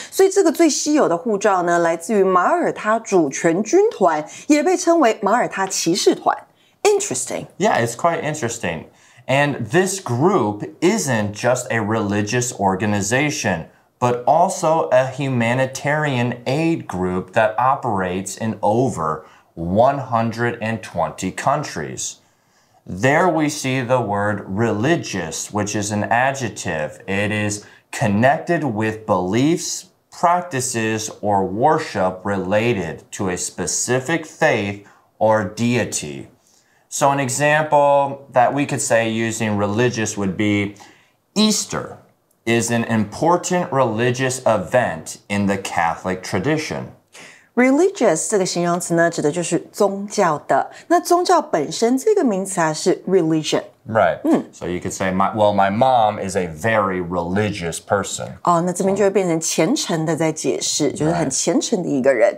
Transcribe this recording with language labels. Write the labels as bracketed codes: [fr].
[zh] 所以这个最稀有的护照呢来自于马耳他主权军团也被称为马耳他骑士团。 [en] Interesting. Yeah, it's quite interesting. And this group isn't just a religious organization, but also a humanitarian aid group that operates in over 120 countries. There we see the word religious, which is an adjective. It is connected with beliefs, practices, or worship related to a specific faith or deity. So an example that we could say using religious would be Easter is an important religious event in the Catholic tradition. [zh] Religious 这个形容词呢指的就是宗教的。那宗教本身这个名词啊是 religion。 [en] Right. So you could say, my mom is a very religious person. [zh] 哦、oh, ，那这边就会变成虔诚的在解释，就是很虔诚的一个人。